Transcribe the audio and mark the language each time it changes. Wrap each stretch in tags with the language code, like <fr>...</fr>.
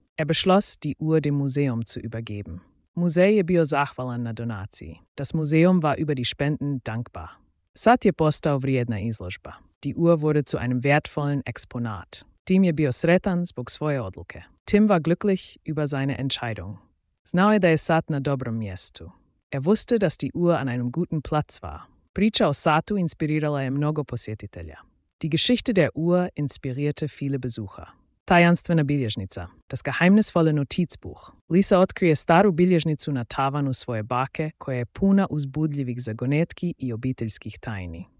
<de>Er beschloss, die Uhr dem Museum zu übergeben.</de> <hr>Muzej je bio zahvalan na donaciji.</hr> <de>Das Museum war über die Spenden dankbar.</de> <hr>Sad je postao vrijedna izložba.</hr> <de>Die Uhr wurde zu einem wertvollen Exponat.</de> <hr>Tim je bio sretan zbog svoje odluke.</hr> <de>Tim war glücklich über seine Entscheidung.</de> <hr>Znao je da je sat na dobrom mjestu.</hr> <de>Er wusste, dass die Uhr an einem guten Platz war.</de> <hr>Priča o satu inspirirala je mnogo posjetitelja.</hr> <de>Die Geschichte der Uhr inspirierte viele Besucher.</de> <hr>Tajanstvena bilježnica,</hr> <de>das geheimnisvolle Notizbuch.</de> <hr>Lisa otkrije staru bilježnicu na tavanu svoje bake, koja je puna uzbudljivih zagonetki i obiteljskih tajni.</hr>